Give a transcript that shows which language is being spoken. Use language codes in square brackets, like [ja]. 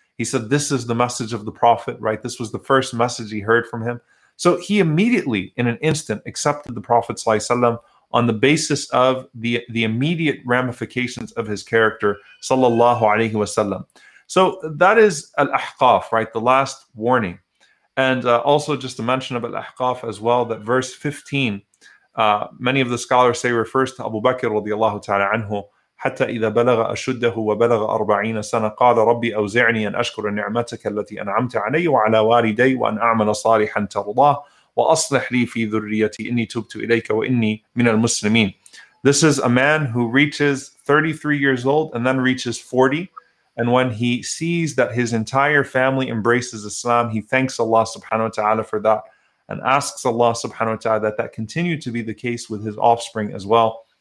[en] He said, this is the message of the prophet, right? This was the first message he heard from him. So he immediately, in an instant, accepted the prophet, sallallahu alaihi wasallam, on the basis of the immediate ramifications of his character, sallallahu alaihi wasallam. So that is al-ahqaf, right? The last warning. And also just a mention of al-ahqaf as well, that verse 15, many of the scholars say refers to Abu Bakr radiallahu ta'ala anhu, [ar] حتى إذا بلغ أشده وبلغ أربعين سنة قال ربي أوزعني أن أشكر نعمتك التي أنعمت علي وعلى والدي وأن أعمل صالحا ترضاه وأصلح لي في ذريتي إني تبت إليك وإني من المسلمين. [en] This is a man who reaches 33 years old and then reaches 40, and when he sees that his entire family embraces Islam, he thanks Allah subhanahu wa ta'ala for that and asks Allah subhanahu wa ta'ala that that continue to be the case with his offspring as well.